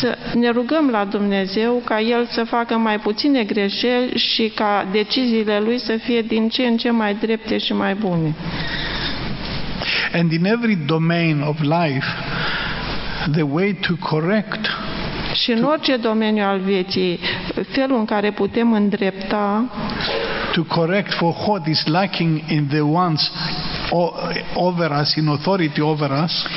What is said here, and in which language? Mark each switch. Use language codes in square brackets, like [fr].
[ro] Să ne rugăm la Dumnezeu ca El să facă mai puține greșeli și ca deciziile Lui să fie din ce în ce mai drepte și mai bune. [en] And in every domain of life, the way to correct. [ro] Și în orice domeniu al vieții, felul în care putem îndrepta. [en] To correct for what is lacking in the ones over us, in authority over us.